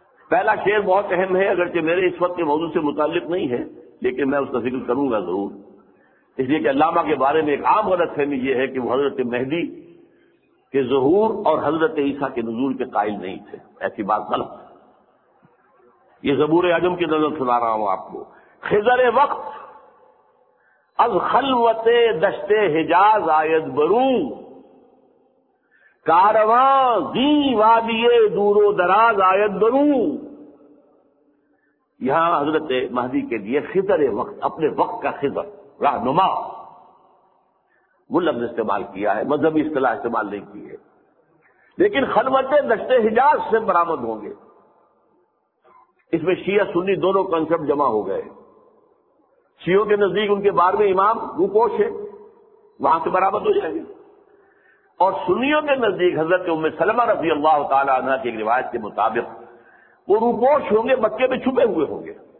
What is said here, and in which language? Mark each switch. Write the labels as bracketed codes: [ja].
[ur] پہلا شعر بہت اہم ہے اگرچہ میرے اس وقت کے موضوع سے متعلق نہیں ہے لیکن میں اس کا ذکر کروں گا ضرور، اس لیے کہ علامہ کے بارے میں ایک عام غلط فہمی یہ ہے کہ وہ حضرت مہدی کے ظہور اور حضرت عیسیٰ کے نزول کے قائل نہیں تھے. ایسی بات غلط. یہ زبور اعظم کی نظر سنا رہا ہوں آپ کو. [fa] خضر وقت از خلوت دشت حجاز آید برو، کارواں دی وادی دور و دراز آید برو. [ur] یہاں حضرت مہدی کے لیے خضر وقت، اپنے وقت کا خضر، رہنما، وہ لفظ استعمال کیا ہے، مذہبی اصطلاح استعمال نہیں کی ہے، لیکن [fa] خلوت دشت حجاز [ur] سے برآمد ہوں گے. اس میں شیعہ سنی دونوں کنسپٹ جمع ہو گئے. شیعوں کے نزدیک ان کے بارہویں امام روپوش ہے، وہاں سے برآمد ہو جائے گی، اور سنیوں کے نزدیک حضرت ام سلمہ رضی اللہ تعالی عنہ کی ایک روایت کے مطابق وہ روپوش ہوں گے، مکے میں چھپے ہوئے ہوں گے.